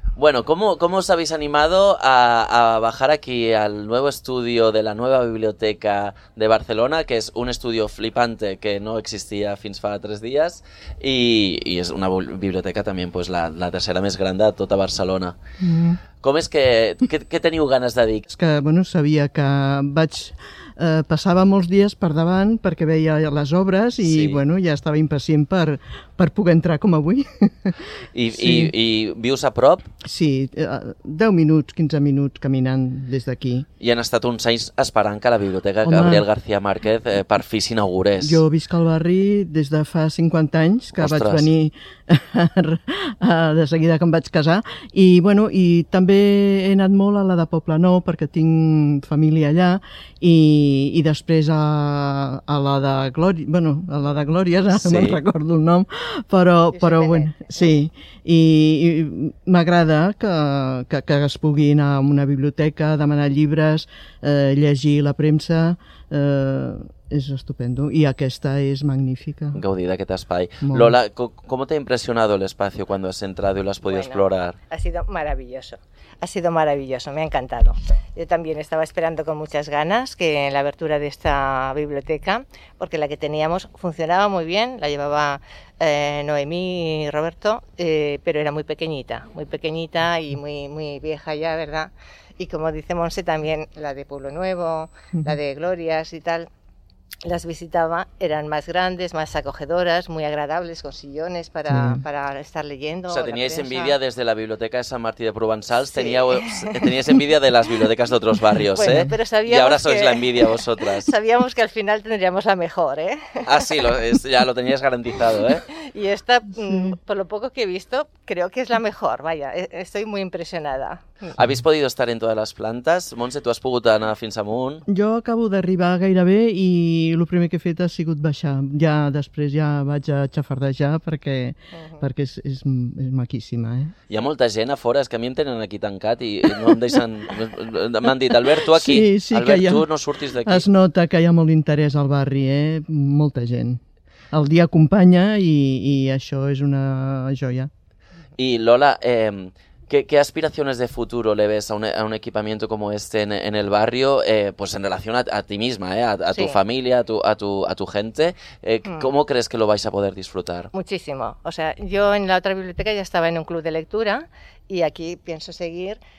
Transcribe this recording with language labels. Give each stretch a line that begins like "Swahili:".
Spanish: Bueno, ¿cómo os habéis animado a bajar aquí al nuevo estudio de la nueva biblioteca de Barcelona, que es un estudio flipante que no existía
Catalan: fins fa 3 dies,
Spanish: y es una biblioteca también, pues,
Catalan: la tercera més gran de tota Barcelona?
Spanish: ¿Cómo es que...
Catalan: ¿Qué teniu ganes de dir? És que, bueno, sabia que vaig... passava molts dies per davant perquè veia les obres i, sí, bueno, ja estava impacient per poder entrar com avui. Sí. I vius a prop? Sí, 10 minuts, 15 minuts caminant des d'aquí. I han estat uns anys esperant que la biblioteca, home, Gabriel García Márquez per fi s'inaugurés. Jo visc al barri des de fa 50 anys, que... Ostres. Vaig venir de seguida que em vaig casar. I, bueno, i també he anat molt a la de Poblenou perquè tinc família allà, i després a la de Glòries, bueno, a la de Glòries, ara, sí, me'n recordo el nom, però bueno, sí, i m'agrada que es pugui anar a una biblioteca, demanar llibres, llegir la premsa, és estupendo, i aquesta és magnífica. Gaudir d'aquest espai. Molt.
Spanish: Lola, ¿cómo te ha impresionado el espacio cuando has entrado y lo has podido, bueno, explorar? Ha sido maravilloso. Ha sido maravilloso, me ha encantado. Yo también estaba esperando con muchas ganas que la apertura de esta biblioteca, porque la que teníamos funcionaba muy bien, la llevaba Noemí y Roberto, pero era muy pequeñita y muy, muy vieja ya, ¿verdad? Y como dice Montse, también la de Pueblo Nuevo, la de Glòries y tal, las visitaba, eran más grandes, más acogedoras, muy agradables, con sillones para, sí, para estar leyendo. O sea, teníais envidia desde la biblioteca de San Martí de Provençals, sí, teníais envidia de las bibliotecas de otros barrios, bueno, ¿eh? Pero sabíamos y ahora sois que... la envidia vosotras. Sabíamos que al final tendríamos la mejor, ¿eh? Ah, sí, ya lo teníais garantizado, ¿eh? Y esta, por lo poco que he visto, creo que es la mejor, vaya, estoy muy impresionada. ¿Habéis podido estar en todas las plantas?
Catalan: Montse, tú has pogut anar fins amunt. Jo acabo d'arribar gairebé i el primer que he fet ha sigut baixar. Ja després ja vaig a xafardejar perquè, perquè és maquíssima, eh? Hi ha molta gent a fora, és que a mi em tenen aquí tancat i no em deixen... M'han dit, Albert, tu aquí. Sí, sí, Albert, tu no surtis d'aquí. Es nota que hi ha molt interès al barri, eh? Molta gent. El dia acompanya i això és una joia. I Lola...
Spanish: ¿Qué aspiraciones de futuro le ves a un equipamiento como este en el barrio, pues en relación a ti misma, a sí, tu familia, a tu gente? ¿Cómo crees que lo vais a poder disfrutar? Muchísimo. O sea, yo en la otra biblioteca ya estaba en un club de lectura y aquí pienso seguir.